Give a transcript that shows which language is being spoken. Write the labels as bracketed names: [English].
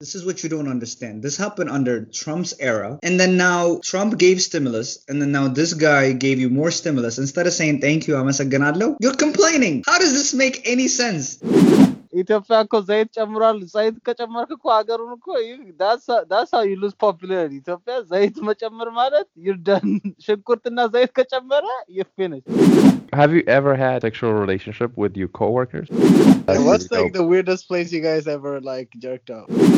[English] This is what you don't understand. This happened under Trump's era. And then now Trump gave stimulus. And then now this guy gave you more stimulus. Instead of saying thank you, amasaganadlo, you're complaining. How does this make any sense? [Amharic] ኢትዮጵያ እኮ ዘይት ጨምሯል ዘይት ከጨመርክ እኮ ሀገሩን እኮ [English] that's how you lose popularity [Amharic] ኢትዮጵያ ዘይት መጨመር ማለት [English] you're done [Amharic] ሽንኩርትና ዘይት ከጨመረ [English] you're finished. Have you ever had a sexual relationship with your coworkers? What's like the weirdest place you guys ever like jerked off?